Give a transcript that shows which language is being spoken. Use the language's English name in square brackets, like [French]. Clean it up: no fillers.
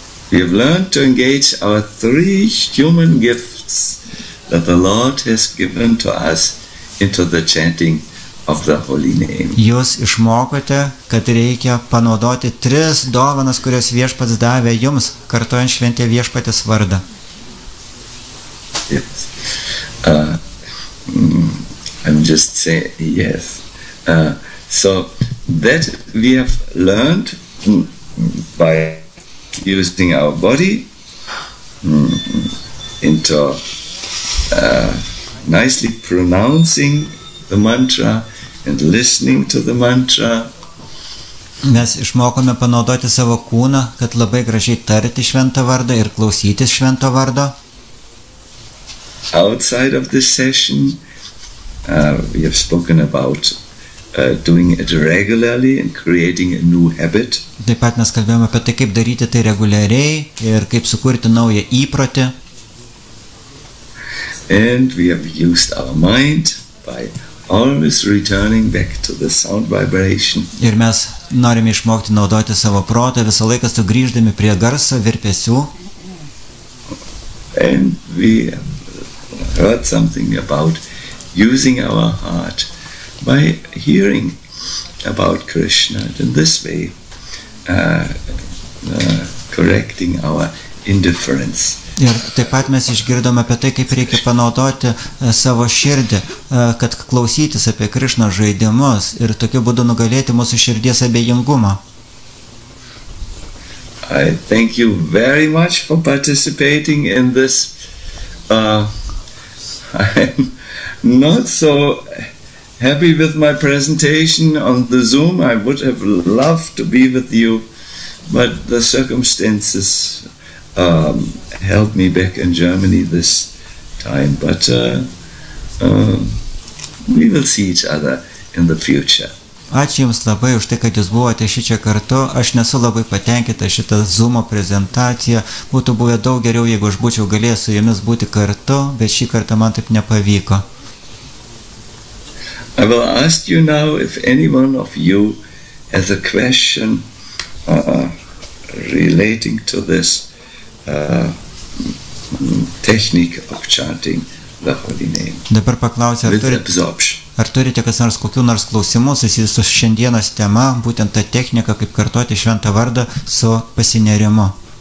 [English] We have learned to engage our three human gifts that the Lord has given to us into the chanting of the holy name. [Lithuanian] Jūs išmokote, kad reikia panaudoti tris dovanas, kurias Viešpats davė jums, kartuojant šventę Viešpatės vardą. [English] Yes. I'm just saying yes. So that we have learned by using our body into nicely pronouncing the mantra and listening to the mantra. [Lithuanian] Mes išmokome panaudoti savo kūną, kad labai gražiai tarti šventą vardą ir klausytis švento vardo. [English] Outside of this session, we have spoken about doing it regularly and creating a new habit. [Lithuanian] Taip pat mes kalbėjome apie tai, kaip daryti tai reguliariai ir kaip sukurti naują įprotį. [English] And we have used our mind by always returning back to the sound vibration. [Lithuanian] Ir mes norime išmokti naudoti savo protą visą laiką sugrįždami prie garso virpesių. [English] And we have heard something about using our heart by hearing about Krishna and in this way correcting our indifference [Lithuanian] Ir taip pat mes išgirdome apie tai, kaip reikia panaudoti savo širdį, kad klausytis apie Krišnos žaidimus ir tokiu būdu nugalėti mūsų širdies abejingumą. [English] I thank you very much for participating in this. I'm not so happy with my presentation on the Zoom. I would have loved to be with you, but the circumstances held me back in Germany this time. But we will see each other in the future. [Lithuanian] Ačiū Jums labai už tai, kad Jūs buvote šį čia kartu. Aš nesu labai patenkinta šitą Zoom'o prezentaciją. Būtų buvę daug geriau, jeigu aš būčiau galėjęs su Jumis būti kartu, bet šį kartą man taip nepavyko. [English] I will ask you now if anyone of you has a question relating to this technique of chanting the holy name. [Lithuanian] Dabar paklausiu, ar turite kas nors kokių nors klausimų susijusių su šiandienos tema, būtent ta technika, kaip kartuoti šventą vardą su pasinerimu?